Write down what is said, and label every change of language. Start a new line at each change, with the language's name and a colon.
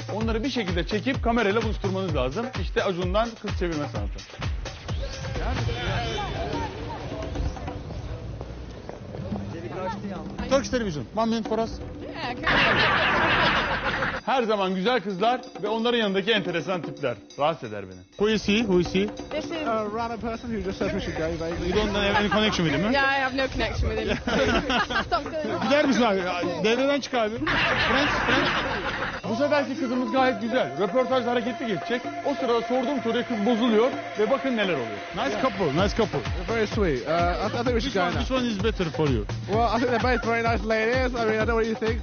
Turkish: Onları bir şekilde çekip kamerayla buluşturmanız lazım. İşte Acun'dan kız çevirme sanatı.
English: Turkish Television. One minute for us.
Turkish: Her zaman güzel kızlar ve onların yanındaki enteresan tipler rahatsız eder beni.
English: Who is he? Who is he? This is a random person who just said we should go, basically. You don't have any connection with him, huh? Yeah, I have no connection with him.
Turkish: Gider misin abi? Devreden çık abi. Friends. Bu seferki kızımız gayet güzel. Röportaj hareketli geçecek. O sırada sorduğum soruya kız bozuluyor ve bakın neler oluyor.
English: Nice couple. Very sweet. I think we should go now. Which one is better for you? Well, I think they're both very nice ladies. I mean, I don't know what you think.